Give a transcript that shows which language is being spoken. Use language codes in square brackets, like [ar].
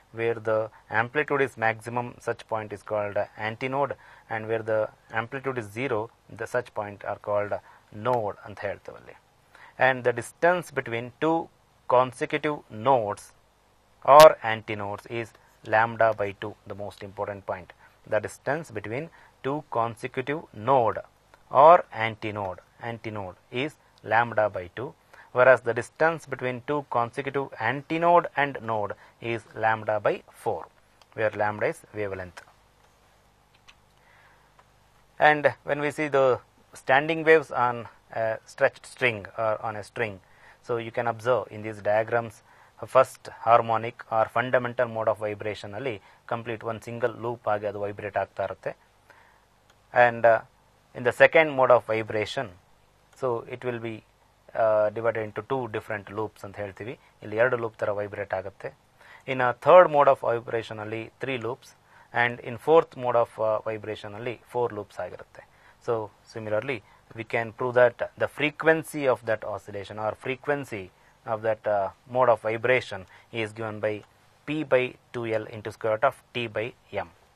[en] where the amplitude is maximum such point is called antinode and where the amplitude is zero the such point are called node [kn] ಅಂತ ಹೇಳ್ತೀವಲ್ಲಿ. [en] And the distance between two consecutive nodes are antinodes is lambda by 2, the most important point. The distance between two consecutive node are antinode is lambda by 2, whereas the distance between two consecutive antinode and node is lambda by 4, where lambda is wavelength. And when we see the standing waves on a stretched string or on a string, so you can observe in these diagrams, first harmonic or fundamental mode of vibration alli complete one single loop [kn] aage adu vibrate aagta irutte. [en] And in the second mode of vibration, so it will be divided into two different loops [kn] ಅಂತ ಹೇಳ್ತೀವಿ. ಇಲ್ಲಿ ಎರಡು loop ಥರ vibrate ಆಗುತ್ತೆ. [en] In third mode of ವೈಬ್ರೇಷನಲ್ಲಿ 3 loops and in fourth mode of ವೈಬ್ರೇಷನಲ್ಲಿ 4 loops ಆಗಿರುತ್ತೆ. So similarly we can prove that the frequency of that oscillation or frequency of that mode of vibration is given by P/2L into square root of T/M.